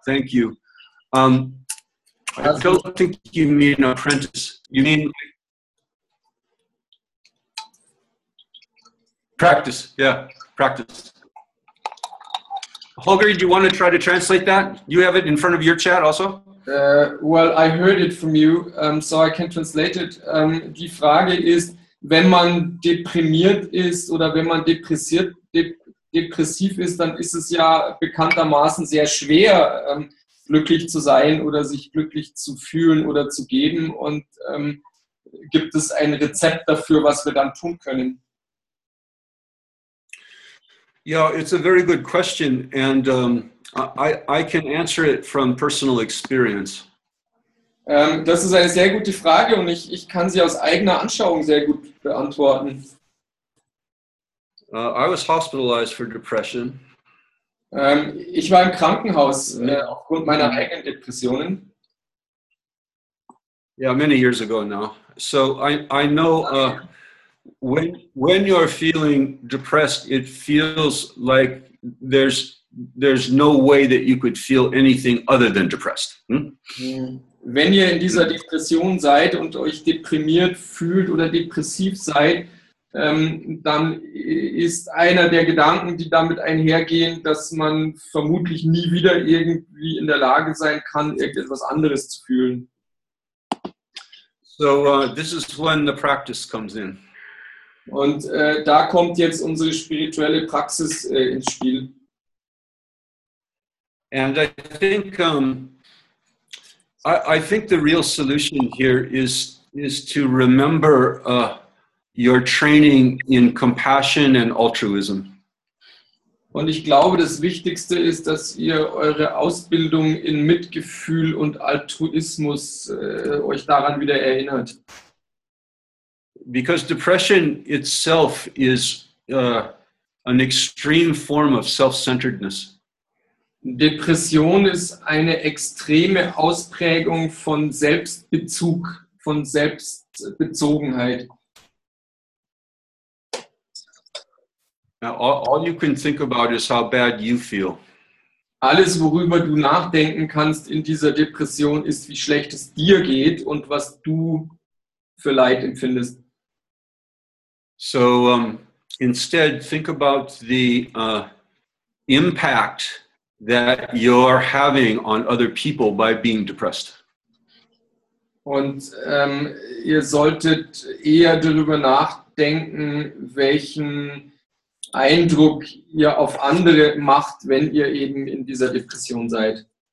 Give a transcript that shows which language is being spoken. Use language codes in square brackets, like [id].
[en] Thank you. I don't think you mean apprentice. You mean practice. Yeah, practice. Holger, do you want to try to translate that? You have it in front of your chat also? Well, I heard it from you, so I can translate it. [de] Die Frage ist, wenn man deprimiert ist oder wenn man depressiv ist, dann ist es ja bekanntermaßen sehr schwer, glücklich zu sein oder sich glücklich zu fühlen oder zu geben. Und gibt es ein Rezept dafür, was wir dann tun können? [en] Yeah, it's a very good question, and I can answer it from personal experience. [de] Das ist eine sehr gute Frage und ich kann sie aus eigener Anschauung sehr gut beantworten. [en] I was hospitalized for depression. [de] Ich war im Krankenhaus aufgrund meiner eigenen Depressionen. [en] Yeah, many years ago now. So I know when you're feeling depressed, it feels like there's no way that you could feel anything other than depressed. [de] Wenn ihr in dieser Depression seid und euch deprimiert fühlt oder depressiv seid, dann ist einer der Gedanken, die damit einhergehen, dass man vermutlich nie wieder irgendwie in der Lage sein kann, irgendetwas anderes zu fühlen. [en] So, this is when the practice comes in. [de] Und da kommt jetzt unsere spirituelle Praxis ins Spiel. [en] And I think the real solution here is to remember your training in compassion and altruism. [de] Und ich glaube, das Wichtigste ist, dass ihr eure Ausbildung in Mitgefühl und Altruismus euch daran wieder erinnert. [en] Because depression itself is an extreme form of self-centeredness. [de] Depression ist eine extreme Ausprägung von Selbstbezug, von Selbstbezogenheit. [en] Now, all you can think about is how bad you feel. [de] Alles, worüber du nachdenken kannst in dieser Depression, ist, wie schlecht es dir geht und was du für Leid empfindest. [en] So, instead, think about the impact that you're having on other people by being depressed. [de] Und ihr solltet eher darüber nachdenken, welchen Eindruck ihr auf andere macht, wenn ihr eben in dieser Depression seid.